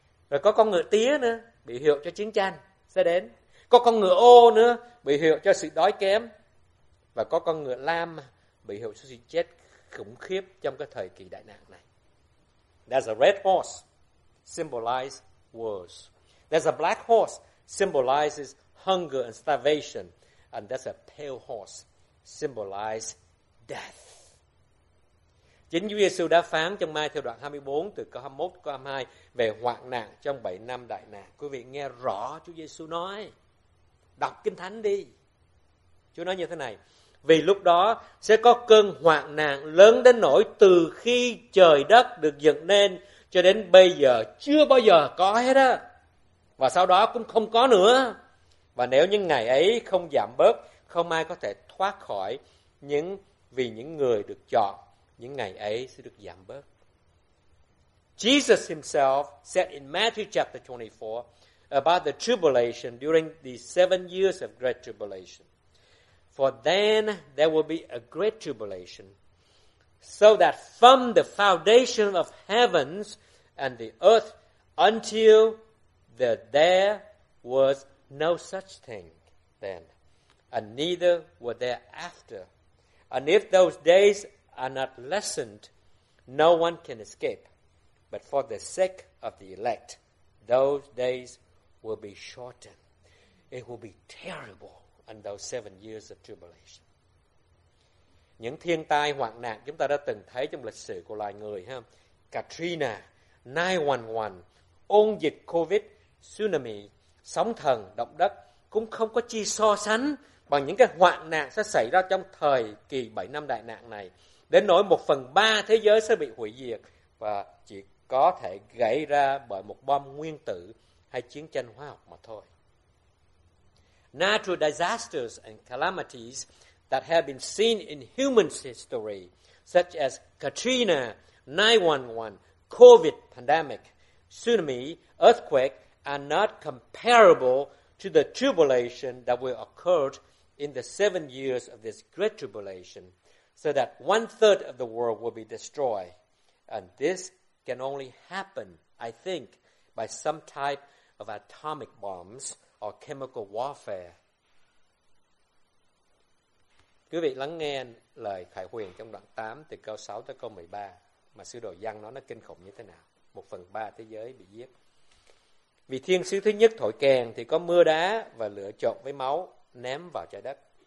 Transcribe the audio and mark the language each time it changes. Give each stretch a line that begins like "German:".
Vietnamese: Rồi có con ngựa tía nữa, bị hiệu cho chiến tranh sẽ đến. Có con ngựa ô nữa, bị hiệu cho sự đói kém. Và có con ngựa lam, bị hiệu cho sự chết khủng khiếp trong cái thời kỳ đại nạn này.
English: There's a red horse, symbolizes wars. There's a black horse, symbolizes hunger and starvation. And there's a pale horse, symbolizes death.
Vietnamese: Chính Chúa Giê-xu đã phán trong Ma-thi-ơ đoạn 24, từ câu 21 đến câu 22 về hoạn nạn trong 7 năm đại nạn. Quý vị nghe rõ Chúa Giê-xu nói. Đọc Kinh Thánh đi. Chúa nói như thế này: vì lúc đó sẽ có cơn hoạn nạn lớn đến nỗi từ khi trời đất được dựng nên cho đến bây giờ chưa bao giờ có hết á, và sau đó cũng không có nữa. Và nếu những ngày ấy không giảm bớt, không ai có thể thoát khỏi, những vì những người được chọn, những ngày ấy sẽ được giảm bớt.
English: Jesus himself said in Matthew chapter 24 about the tribulation during the 7 years of great tribulation. For then there will be a great tribulation, so that from the foundation of heavens and the earth until that there was no such thing then, and neither were there after. And if those days are not lessened, no one can escape. But for the sake of the elect, those days will be shortened. It will be terrible in those 7 years of tribulation.
Vietnamese: Những thiên tai hoạn nạn chúng ta đã từng thấy trong lịch sử của loài người, ha? Katrina, 9/11, ôn dịch COVID, tsunami, sóng thần, động đất, cũng không có chi so sánh bằng những cái hoạn nạn sẽ xảy ra trong thời kỳ 7 năm đại nạn này, đến nỗi 1/3 thế giới sẽ bị hủy diệt và chỉ có thể gây ra bởi một bom nguyên tử hay chiến tranh hóa học mà thôi.
English: Natural disasters and calamities that have been seen in human history, such as Katrina, 9/11, COVID pandemic, tsunami, earthquake, are not comparable to the tribulation that will occur in the 7 years of this great tribulation, so that 1/3 of the world will be destroyed. And this can only happen, I think, by some type of atomic bombs or chemical warfare.
Vietnamese: Quý vị lắng nghe lời khải huyền trong đoạn 8 từ câu 6 tới câu 13 mà sứ đồ Giăng nó kinh khủng như thế nào. 1/3 thế giới bị giết. Vì thiên sứ thứ nhất thổi kèn thì có mưa đá và lửa trộn với máu ném vào trái đất.